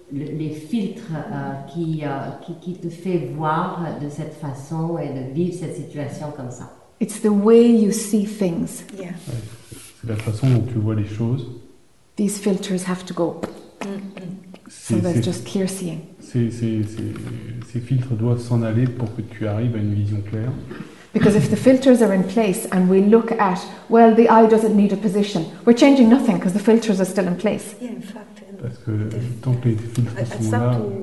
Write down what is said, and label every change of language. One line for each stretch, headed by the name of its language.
French: les filtres qui te fait voir de cette façon et de vivre cette situation comme ça.
English: It's the way you see things. Yeah.
French: Ouais. C'est la façon dont tu vois les choses.
English: These filters have to go.
French: C'est,
English: so there's just clear seeing.
French: Ces filtres doivent s'en aller pour que tu arrives à une vision claire.
English: Because if the filters are in place and we look at, well, the eye doesn't need a position, we're changing nothing because the filters are still in place. Yeah, in fact.
French: Parce que tant que les filtres sont là.